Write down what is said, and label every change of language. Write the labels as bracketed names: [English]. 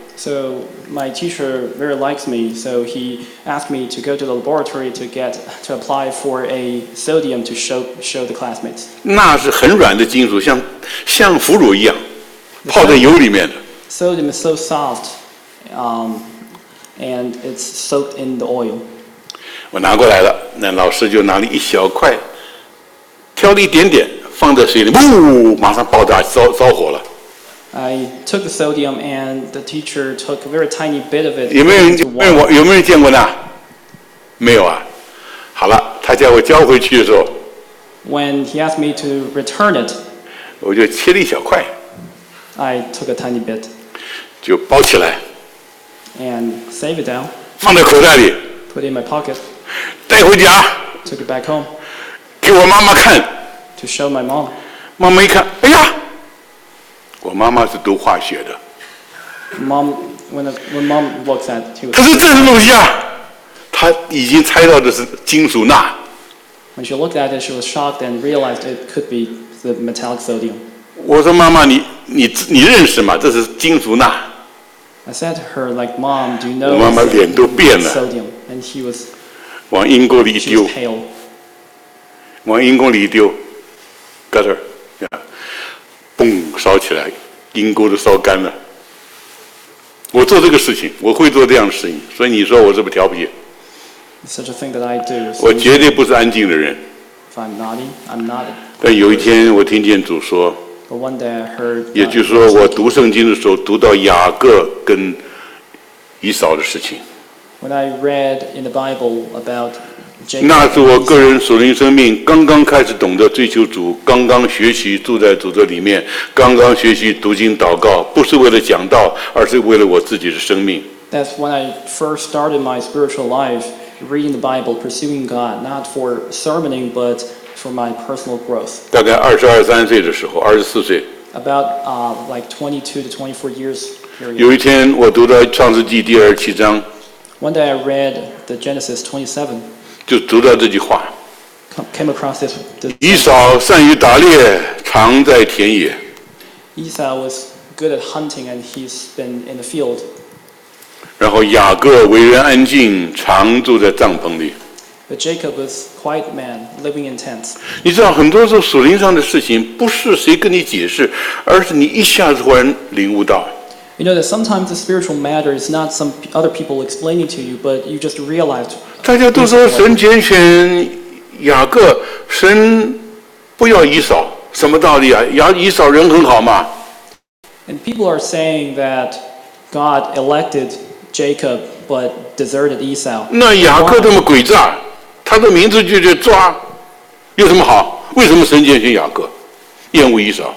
[English] So my teacher very likes me, so he asked me to go to the laboratory to apply for a sodium to show the classmates. [Chinese] 钠是很软的金属，像腐乳一样，泡在油里面的。 [English] Sodium is so soft, and it's soaked in the oil. [Chinese] 我拿过来了，那老师就拿了一小块，挑了一点点，放在水里，噗，马上爆炸，烧火了。 [English] I took the sodium and the teacher took a very tiny bit of it. [Chinese] 有没有人见过呢？没有啊。好了，他叫我交回去的时候 [English] ，When he asked me to return it， [Chinese] 我就切了一小块 [English] ，I took a tiny bit， [Chinese] 就包起来 [English] ，and save it down， [Chinese] 放在口袋里。 [English] Put it in my pocket. [Chinese] 带回家。 [English] Took it back home. [Chinese] 给我妈妈看。 [English] To show my mom. [Chinese] 妈妈一看，哎呀，我妈妈是读化学的。 [English] Mom, when mom looks at, she. [Chinese] 她说这是什么东西啊？她已经猜到的是金属钠。 [English] When she looked at it, she was shocked and realized it could be the metallic sodium. [Chinese] 我说妈妈，你认识吗？这是金属钠。 [English] I said to her, like, Mom, do you know? [Chinese] 我妈妈脸都变了。 [English] Sodium. And she was. [Chinese] 往阴沟里一丢。 [English] She was pale. [Chinese] 往阴沟里一丢 ，gutter， 呀，嘣，烧起来，阴沟都烧干了。我做这个事情，我会做这样的事情，所以你说我这么调皮。 [English] Such a thing that I do. [Chinese] 我绝对不是安静的人。 [English] If I'm naughty, I'm not. [Chinese] 但有一天，我听见主说。 [English] But one day I heard. [Chinese] 也就是说，我读圣经的时候，读到雅各跟以扫的事情。 [English] When I read in the Bible about Jacob, [Chinese] 那是我个人属灵生命刚刚开始懂得追求主，刚刚学习住在主的里面，刚刚学习读经祷告，不是为了讲道，而是为了我自己的生命。 [English] That's when I first started my spiritual life, reading the Bible, pursuing God, not for sermoning, but for my personal growth. [Chinese] 大概二十二三岁的时候，二十四岁。 [English] About like 22 to 24 years. [Chinese] 有一天，我读到创世纪第二十七章。 [English] One day I read the Genesis 27. [Chinese] 就读到这句话。 [English] Came across this. [Chinese] 以扫善于打猎，常在田野。 [English] Esau was good at hunting and he's been in the field. [Chinese] 然后雅各为人安静，常住在帐篷里。 [English] But Jacob was quiet man, living in tents. [Chinese] 你知道很多时候属灵上的事情不是谁跟你解释，而是你一下子忽然领悟到。 [English] You know that sometimes the spiritual matter is not some other people explaining to you, but you just realized. [Chinese] 大家都说神拣选雅各，神不要以扫，什么道理啊？以扫人很好嘛。 [English] And people are saying that God elected Jacob but deserted Esau. [Chinese] 那雅各这么鬼诈，他的名字就叫抓，有什么好？为什么神拣选雅各，厌恶以扫